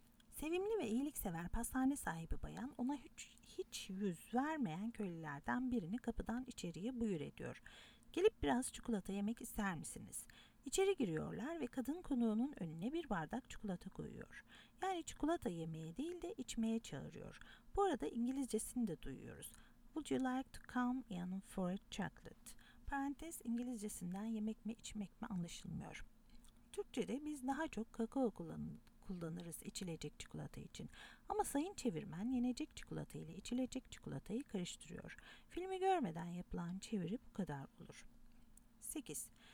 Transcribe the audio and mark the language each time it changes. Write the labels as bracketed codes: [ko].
[tr] Sevimli ve iyiliksever pastane sahibi bayan ona hiç yüz vermeyen köylülerden birini kapıdan içeriye buyur ediyor. Gelip biraz çikolata yemek ister misiniz? İçeri giriyorlar ve kadın konuğunun önüne bir bardak çikolata koyuyor. Yani çikolata yemeye değil de içmeye çağırıyor. Bu arada İngilizcesini de duyuyoruz. [en] Would you like to come in for a chocolate? [tr] Parantez İngilizcesinden yemek mi içmek mi anlaşılmıyor. Türkçe'de biz daha çok kakao kullanırız içilecek çikolata için. Ama sayın çevirmen yenecek çikolata ile içilecek çikolatayı karıştırıyor. Filmi görmeden yapılan çeviri bu kadar olur. 8.